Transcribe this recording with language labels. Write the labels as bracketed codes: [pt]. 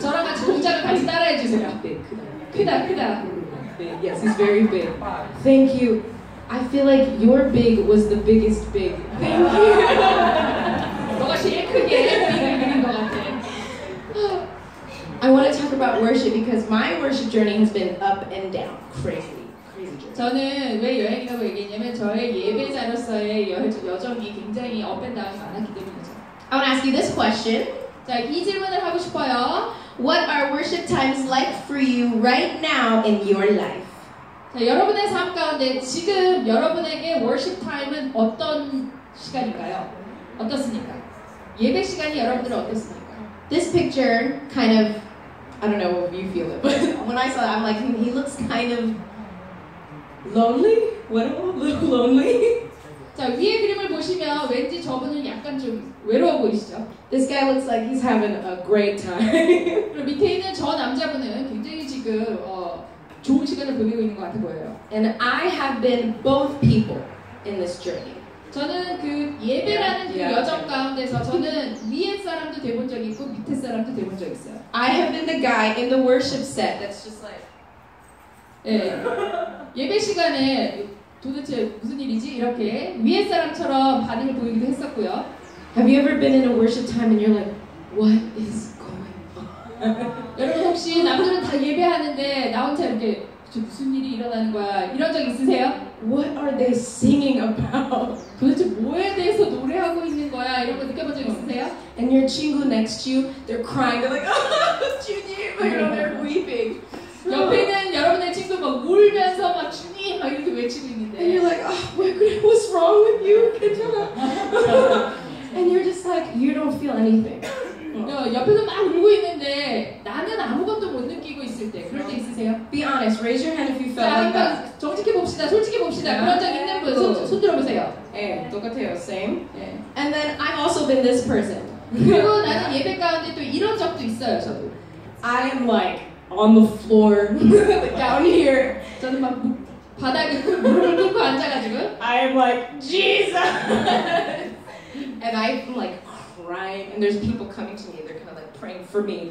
[ko] 저랑 같이 동작을 같이 따라해 주세요. 크다, 크다, 크다. [en] Yes, he's very big. Thank you. I feel like your big was the biggest big. Thank you. [ko] 너가 제일 크게 해드리는 것 같아. [en] I want to talk about worship because my worship journey has been up and down, crazy. [ko] 저는 왜 여행이라고 얘기했냐면 저의 예배자로서의 여정이 굉장히 업앤다운이 많았기 때문이죠. [en] I want to ask you this question. [ko] 자, 이 질문을 하고 싶어요. [en] What are worship times like for you right now in your life? [ko] 자, 여러분의 삶 가운데 지금 여러분에게 [en] worship time [ko] 은 어떤 시간인가요? 어떻습니까? 예배 시간이 여러분들은 어떻습니까? [en] This picture kind of, I don't know if you feel it, but when I saw it, I'm like, he looks kind of lonely? What? A little lonely? [ko] 자, 위에 그림을 보시면 왠지 저분은 약간 좀 외로워 보이시죠? [en] This guy looks like he's having a great time. [ko] 그리고 밑에 있는 저 남자분은 굉장히 지금 좋은 시간을 보내고 있는 것 같아 보여요. [en] And I have been both people in this journey. [ko] 저는 그 예배라는 그 여정 가운데서 저는 위에 사람도 돼본 적이 있고 밑에 사람도 돼본 적이 있어요. [en] I have been the guy in the worship set that's just like [ko] 예, 예배 시간에 도대체 무슨 일이지? 이렇게 위에 사람처럼 반응을 보이기도 했었고요. [en] Have you ever been in a worship time and you're like, what is going on? [ko] 여러분 혹시 남들은 다 예배하는데 나 혼자 이렇게 무슨 일이 일어나는 거야? 이런 적 있으세요? [en] What are they singing about? [ko] 도대체 뭐에 대해서 노래하고 있는 거야? 이런 거 느껴본 적 있으세요? [en] And your [ko] 친구 [en] next to you, they're crying. They're like, oh, [ko] 주님! [en] You know, they're weeping. [ko] 옆에는 여러분의 친구 막 울면서 막 주님 막 이렇게 외치고 있는데. [en] And you're like, oh, my goodness, what's wrong with you? [ko] 괜찮아? [en] And you're just like, you don't feel anything. [ko] 옆에서 막 울고 있는데 나는 아무것도 못 느끼고 있을 때 그럴 때 있으세요? [en] Be honest, raise your hand if you felt like that. [ko] 정직히 봅시다, 솔직히 봅시다. 그런 적 있는 분 손 들어보세요. 예, 똑같아요, [en] same. And then I've also been this person. [ko] 그리고 나는 예배 가운데 또 이런 적도 있어요, 저도. [en] I am like, on the floor, down here. [ko] 저는 막 바닥에 무릎을 꿇고 앉아가지고 [en] I am like, Jesus! And I'm like crying, and there's people coming to me, they're kind of like praying for me.